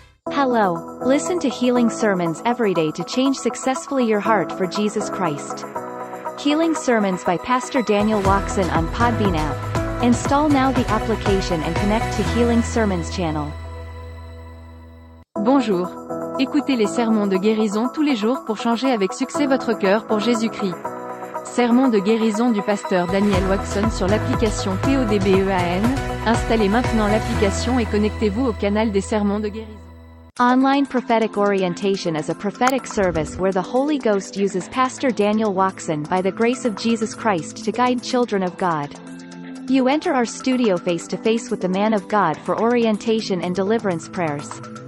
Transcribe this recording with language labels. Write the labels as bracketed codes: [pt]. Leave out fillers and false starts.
[en] Hello. Listen to Healing Sermons every day to change successfully your heart for Jesus Christ. Healing Sermons by Pastor Daniel Watson on Podbean app. Install now the application and connect to Healing Sermons channel. [fr] Bonjour. Écoutez les sermons de guérison tous les jours pour changer avec succès votre cœur pour Jésus-Christ. Sermons de guérison du pasteur Daniel Watson sur l'application PODBEAN. Installez maintenant l'application et connectez-vous au canal des sermons de guérison. [en] Online Prophetic Orientation is a prophetic service where the Holy Ghost uses Pastor Daniel Waxon by the grace of Jesus Christ to guide children of God. You enter our studio face-to-face with the man of God for orientation and deliverance prayers.